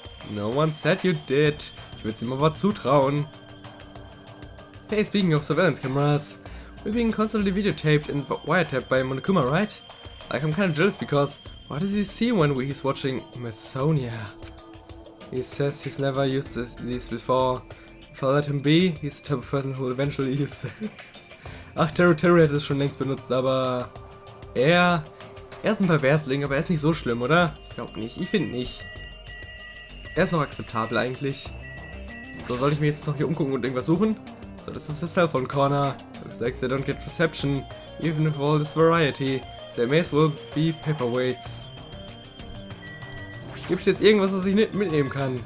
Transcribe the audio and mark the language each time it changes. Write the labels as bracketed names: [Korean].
[English] No one said you did. [German] Ich würde sie mal was zutrauen. [English] Hey, speaking of surveillance cameras, we're being constantly videotaped and wiretapped by Monokuma, right? Like, I'm kind of jealous because what does he see when he's watching Masonia? He says he's never used these before. If I let him be, he's the type of person who will eventually use it. [German] Ach, Terry hat es schon längst benutzt, aber er ist ein Perversling, aber er ist nicht so schlimm, oder? Ich glaube nicht, ich finde nicht. Er ist noch akzeptabel eigentlich. So, soll ich mir jetzt noch hier umgucken und irgendwas suchen? So, das ist der Cellphone Corner. [English] Looks like they don't get reception, even with all this variety. There may as well be paperweights. [German] Gibt's jetzt irgendwas, was ich nicht mitnehmen kann?